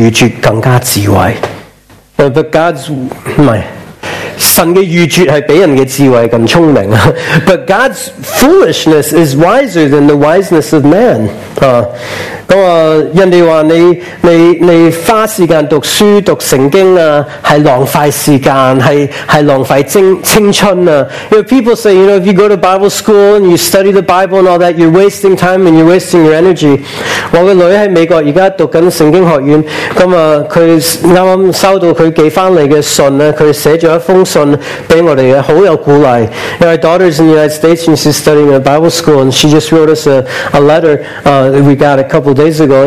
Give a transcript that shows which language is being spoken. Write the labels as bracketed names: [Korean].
[Chinese] 神的智慧是比人的愚拙更加智慧。 [English] But God's... [Chinese] 神的愚拙是比人的智慧更聪明, [English] but God's foolishness is wiser than the wiseness of man. [Chinese] 人家说你花时间读书读圣经是浪费时间是浪费青春啊. [English] You know, people say, you know, if you go to Bible school and you study the Bible and all that, you're wasting time and you're wasting your energy. [Chinese] 我的女儿在美国现在读圣经学院，她刚收到她寄回来的信，她写了一封信给我们，很有鼓励。 [English] Our daughter's in the United States and she's studying at Bible school and she just wrote us a letter that we got a couple days ago.